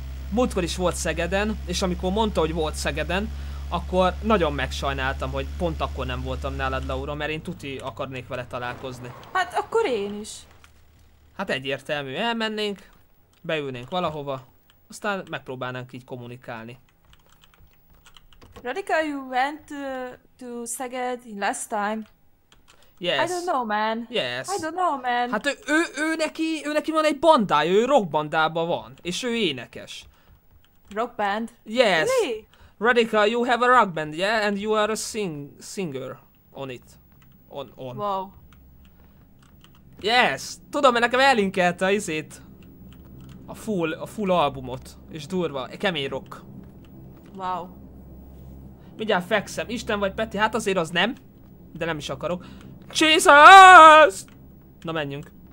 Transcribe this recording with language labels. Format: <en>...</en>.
<hu>Múltkor is volt Szegeden, és amikor mondta, hogy volt Szegeden, akkor nagyon megsajnáltam, hogy pont akkor nem voltam nálad, Laura, mert én tuti akarnék vele találkozni. Hát akkor én is. Hát egyértelmű, elmennénk, beülnénk valahova, aztán megpróbálnánk így kommunikálni.</hu> <en>Radical, you went to Szeged last time. Yes. I don't know, man. Yes. I don't know, man.</en> <hu>Hát ő neki van egy bandája, ő rockbandában van, és ő énekes.</hu> <en>Rock band? Yes. Really? Radical, you have a rock band, yeah? And you are a singer on it. On. Wow. Yes!</en> <hu>Tudom, mert nekem elinkelte az izét. A full albumot. És durva, kemény rock.</hu> <en>Wow.</en> <hu>Mindjárt fekszem. Isten vagy, Peti? Hát azért az nem. De nem is akarok.</hu> <en>Jesus!</en> <hu>Na, menjünk.</hu>